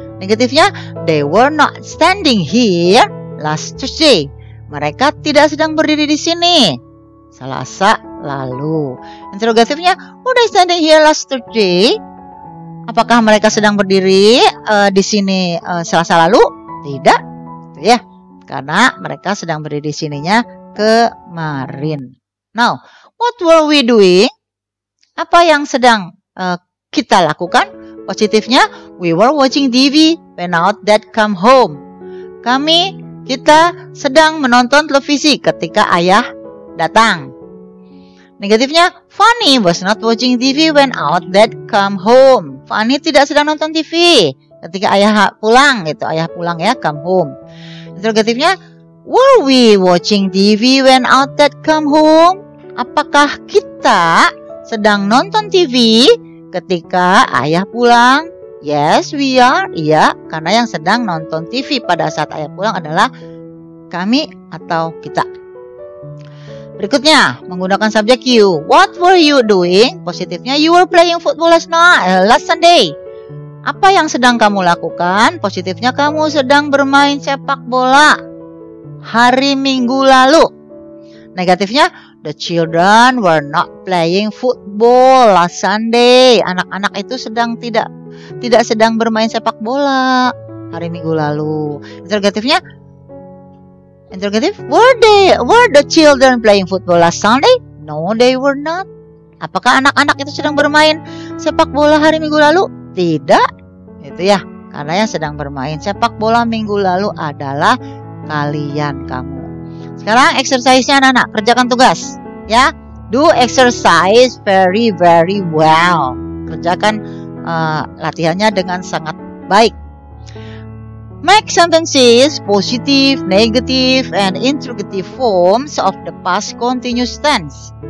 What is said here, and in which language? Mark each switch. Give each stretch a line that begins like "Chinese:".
Indonesian: Negatifnya,
English: they were not standing here last Tuesday.
Indonesian: Mereka tidak sedang berdiri di sini Selasa lalu. Interrogatifnya,
English: were they standing here last Tuesday?
Indonesian: Apakah mereka sedang berdiri di sini Selasa lalu? Tidak. Ya, karena mereka sedang berdiri di sininya kemarin.
English: Now, what were we doing?
Indonesian: Apa yang sedang kita lakukan? Positifnya,
English: we were watching TV when our dad come home.
Indonesian: Kita sedang menonton televisi ketika ayah datang. Negatifnya,
English: Fanny was not watching TV when our dad come home.
Indonesian: Fanny tidak sedang nonton TV ketika ayah pulang, gitu. Ayah pulang ya,
English: come home.
Indonesian: Interrogatifnya,
English: were we watching TV when our dad come home?
Indonesian: Apakah kita sedang nonton TV ketika ayah pulang?
English: Yes, we are.
Indonesian: Iya, karena yang sedang nonton TV pada saat ayah pulang adalah kami atau kita. Berikutnya, menggunakan subjek
English: you. What were you doing?
Indonesian: Positifnya,
English: you were playing football last Sunday.
Indonesian: Apa yang sedang kamu lakukan? Positifnya, kamu sedang bermain sepak bola hari Minggu lalu. Negatifnya,
English: the children were not playing football last Sunday.
Indonesian: Anak-anak itu sedang tidak sedang bermain sepak bola hari Minggu lalu. Interrogatifnya,
English: were the children playing football last Sunday? No, they were not.
Indonesian: Apakah anak-anak itu sedang bermain sepak bola hari Minggu lalu? Tidak. Itu ya, karena yang sedang bermain sepak bola Minggu lalu adalah kalian, kamu. Sekarang exercise-nya anak-anak, kerjakan tugas ya.
English: Do exercise very very well.
Indonesian: Kerjakan latihannya dengan sangat baik.
English: Make sentences positive, negative, and interrogative forms of the past continuous tense.